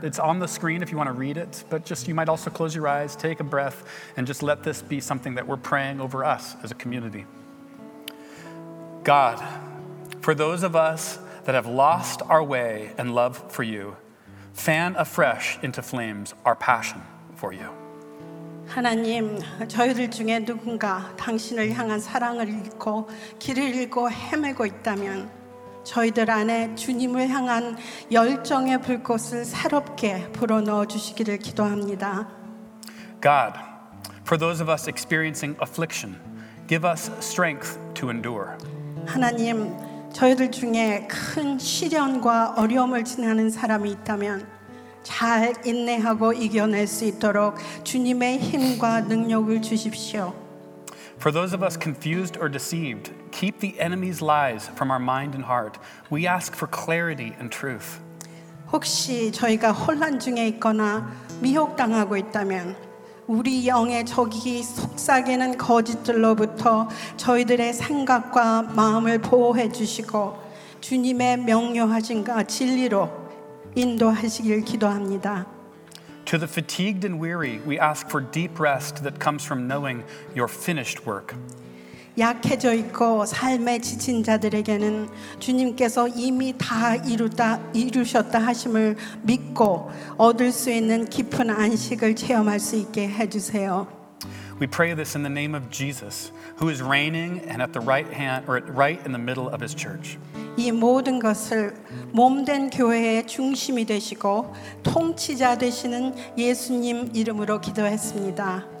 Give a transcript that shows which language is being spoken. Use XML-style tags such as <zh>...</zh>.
<en>It's on the screen if you want to read it, but just you might also close your eyes, take a breath, and just let this be something that we're praying over us as a community. God, for those of us that have lost our way and love for you, fan afresh into flames our passion for you.</en> <ko>하나님, 저희들 중에 누군가 당신을 향한 사랑을 잃고 길을 잃고 헤매고 있다면 저희들 안에 주님을 향한 열정의 불꽃을 새롭게 불어넣어 주시기를 기도합니다.</ko> <en>God, for those of us experiencing affliction, give us strength to endure.</en> <ko>하나님, 저희들 중에 큰 시련과 어려움을 지나는 사람이 있다면 잘 인내하고 이겨낼 수 있도록 주님의 힘과 능력을 주십시오.</ko> <en>For those of us confused or deceived, keep the enemy's lies from our mind and heart. We ask for clarity and truth.</en> <ko>혹시 저희가 혼란 중에 있거나 미혹당하고 있다면 우리 영의 적이 속삭이는 거짓들로부터 저희들의 생각과 마음을 보호해 주시고 주님의 명료하신가 진리로 인도하시길 기도합니다.</ko> <en>To the fatigued and weary, we ask for deep rest that comes from knowing your finished work.</en> <ko>약해져 있고 삶에 지친 자들에게는 주님께서 이미 다 이루셨다 하심을 믿고 얻을 수 있는 깊은 안식을 체험할 수 있게 해주세요.</ko> <en>We pray this in the name of Jesus, who is reigning and at the right hand, or right in the middle of his church.</en> <ko>이 모든 것을 몸된 교회의 중심이 되시고 통치자 되시는 예수님 이름으로 기도했습니다.</ko>